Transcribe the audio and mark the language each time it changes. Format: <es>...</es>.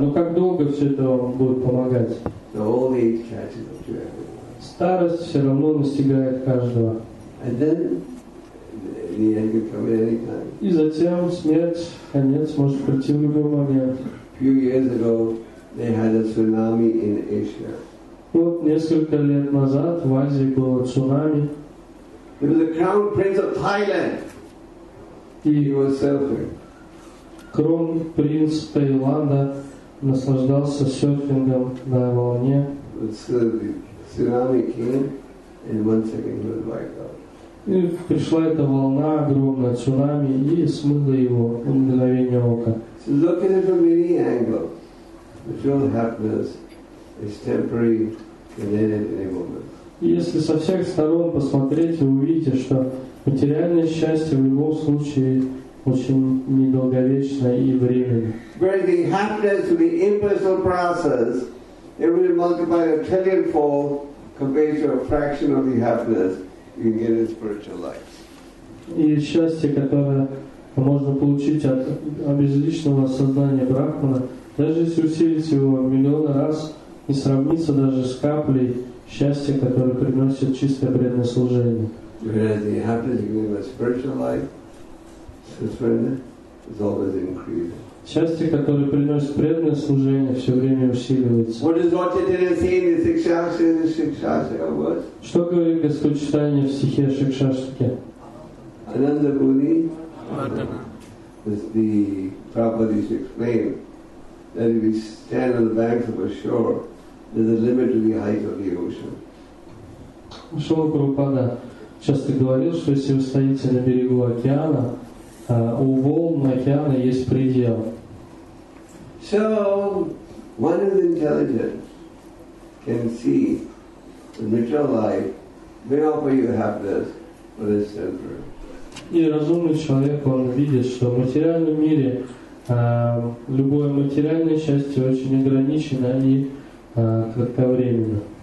<ru>Но как долго все это вам будет помогать?</ru> <en>The old age catches up to everyone.</en> <ru>Старость все равно настигает каждого.</ru> <en>And then the end can come at any time.</en> <ru>И затем смерть, конец может прийти в любой момент.</ru> <en>Few years ago, they had a tsunami in Asia.</en> <ru>Вот несколько лет назад в Азии было цунами.</ru> <en>It was the crown prince of Thailand. He was surfing.</en> <ru>Кронпринц Таиланда наслаждался серфингом на волне.</ru> <en>Цунами came, and one second he was wiped out.</en> <ru>И пришла эта волна огромная, цунами, и смыла его в мгновение ока.</ru> <en>So look at it from any angle. Material happiness is temporary and then at any moment.</en> <ru>Если со всех сторон посмотреть, вы увидите, что материальное счастье в любом случае очень недолговечно и временно.</ru> <en>Where the happiness of the impersonal process, it will multiply a trillionfold compared to a fraction of the happiness you can get in spiritual life.</en> <ru>И счастье, которое можно получить от обезличного сознания Брахмана, даже если усилить его миллион раз, не сравнится даже с каплей счастья, которое приносит чистое преданное служение.</ru> <en>Where the happiness you get in spiritual life, is always increasing.</en> <ru>Счастье, которое приносит преданное служение, все время усиливается.</ru> <en>What does Lord Chaitanya say in his Shikshashtaka?</en> <ru>Что говорит Господь Читание в стихе о Шикшаштике?</ru> <en>Ananda Buni, as the Prabhupada explained, that if we stand on the banks of a shore, there's a limit to the height of the ocean.</en> <ru>Шрила Прабхупада часто говорил, что если вы стоите на берегу океана, у волн океана есть предел.</ru> <en>So, one is intelligent can see the material life may offer you happiness, but it's temporary.</en> <ru>И разумный человек, он видит, что в материальном мире любое материальное счастье очень ограничено и кратковременно.</ru>